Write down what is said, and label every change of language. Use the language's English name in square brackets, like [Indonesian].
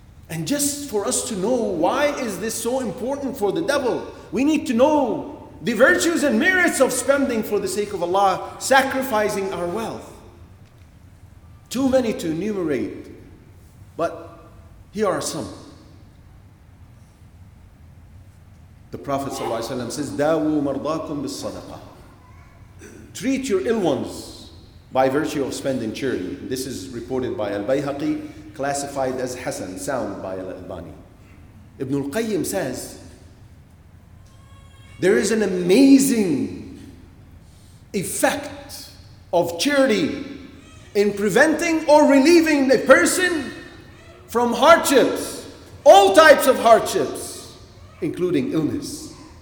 [English] And just for us to know why is this so important for the devil, we need to know the virtues and merits of spending for the sake of Allah, sacrificing our wealth. Too many to enumerate, but here are some. The Prophet ﷺ says, [Arabic] دَاوُوا مَرْضَاكُمْ بِالصَّدَقَةِ. [English] Treat your ill ones by virtue of spending charity. This is reported by Al-Bayhaqi, classified as Hasan, sound, by Al-Albani. Ibn al-Qayyim says, there is an amazing effect of charity in preventing or relieving a person from hardships, all types of hardships, including illness.